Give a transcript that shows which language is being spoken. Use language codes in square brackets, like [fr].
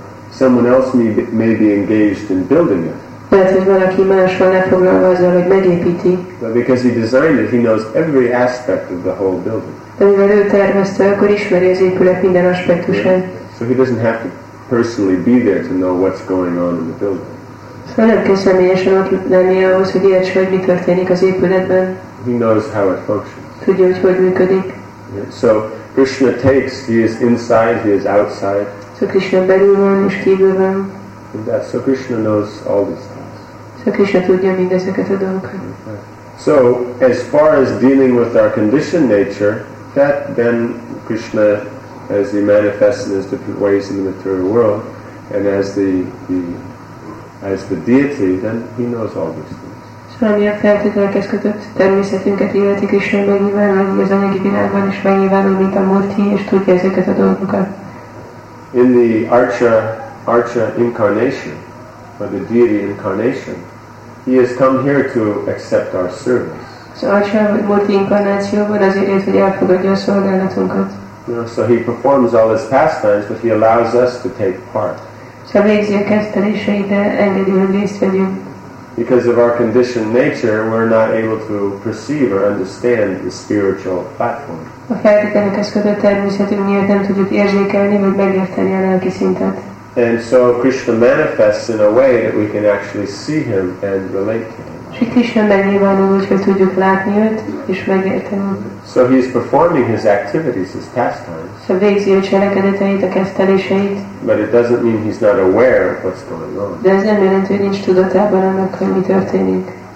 [en] Someone else may be engaged in building it. But because he designed it, he knows every aspect of the whole building. [hu] De mivel ő tervezte, akkor ismeri az épület minden aspektusát. [en] So he doesn't have to personally be there to know what's going on in the building. [hu] So nem kell személyesen ott lenni ahhoz, hogy értse, hogy mi történik az épületben. [en] He knows how it functions. [hu] Tudja, hogy működik. [en] So Krishna takes, he is inside, he is outside. [hu] So Krishna belül van és kívül van. [en] So Krishna knows all these things. [hu] So Krishna tudja mindezeket a dolgokat. [en] So, as far as dealing with our conditioned nature, that then Krishna, as he manifests in his different ways in the material world, and as the deity, then he knows all these things. [hu] So, ami a feltételekhez kötött természetünket illeti Krishna megnyilvánul, hogy az anyagi világban is megnyilvánul, mint a Murti, és tudja ezeket a dolgokat. [en] In the Archa incarnation, or the deity incarnation, he has come here to accept our service. [hu] So Archa Murti incarnációban azért jött, hogy elfogadja a szolgálatunkat. [en] So he performs all his pastimes, but he allows us to take part. [hu] So végzi a keszteléseit, de engedi, hogy részt vegyünk. [en] Because of our conditioned nature, we're not able to perceive or understand the spiritual platform. [hu] A feltételekhez kötött természetünk miatt nem tudjuk érzékelni, vagy megérteni a lelki szintet. [en] And so Krishna manifests in a way that we can actually see him and relate to him. [hu] Sri Krishna megnyilvánul, hogy tudjuk látni őt és megérteni. [en] So he is performing his activities, his pastimes. [hu] So végzi a cselekedeteit, a keszteléseit. [en] But it doesn't mean he's not aware of what's going on. [hu] De ez nem jelenti, hogy nincs tudatában annak, hogy mi történik.